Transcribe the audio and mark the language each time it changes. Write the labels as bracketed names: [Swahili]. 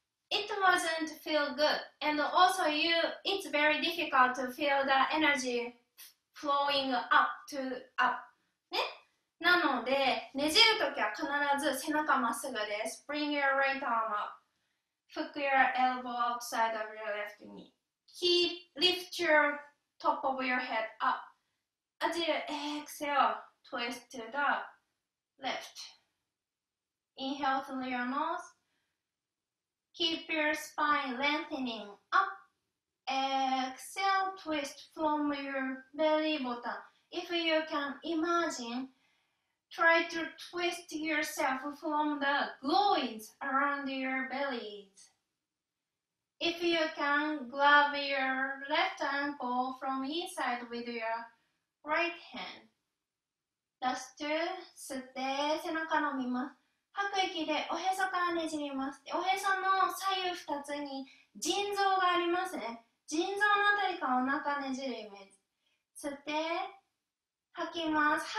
[English] It wasn't feel good and also you, it's very difficult to feel the energy flowing up to up. [Japanese] ね? なので、ねじるときは必ず背中まっすぐです。 [English] Bring your right arm up. Hook your elbow outside of your left knee. Keep, lift your top of your head up. As you exhale, twist to the left. Inhale through your nose. Keep your spine lengthening up. Exhale, twist from your belly button. If you can imagine,Try to twist yourself from the groins around your bellies. If you can, grab your left ankle from inside with your right hand. [Japanese] ラスト、吸って背中伸びます。吐く息でおへそからねじります。おへその左右2つに腎臓がありますね。腎臓のあたりからお腹ねじるイメージ。吸って、吐きます。